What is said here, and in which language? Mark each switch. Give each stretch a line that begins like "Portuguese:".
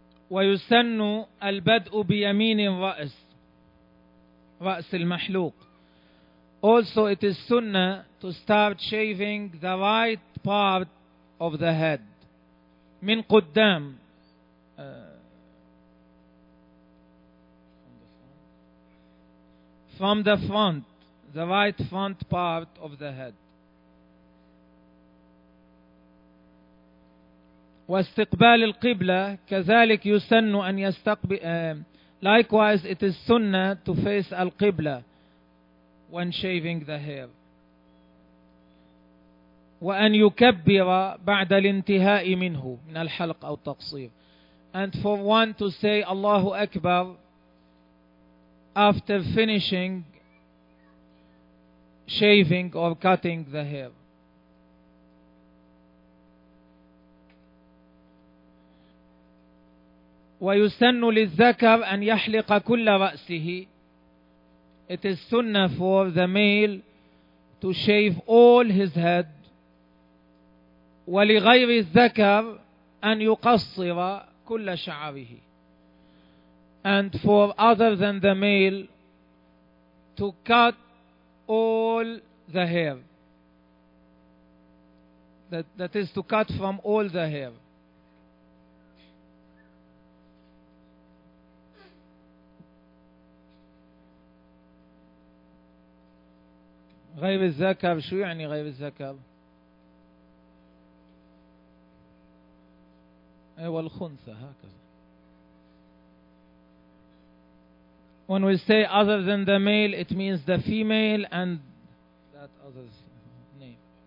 Arabic: ويسن البدء بيمين الرأس, رأس المحلوق.
English: Also it is sunnah to start shaving the right part of the head.
Arabic: من قدام.
English: From the front, the right front part of the head.
Arabic: واستقبال القبلة كذلك يسن أن يستقبل.
English: Likewise, it is sunnah to face القبلة when shaving the hair.
Arabic: وأن يكبر بعد الانتهاء منه من الحلق أو التقصير.
English: And for one to say Allahu Akbar after finishing shaving or cutting the hair.
Arabic: ويسن للذكر أن يحلق كل رأسه.
English: It is sunnah for the male to shave all his head.
Arabic: ولغير الذكر أن يقصر كل شعره.
English: And for other than the male to cut all the hair. That is to cut from all the hair.
Arabic: غير الذكر, شو يعني غير الذكر؟ أيوة الخنثى هكذا.
English: When we say other than the male, it means the female and that other's name.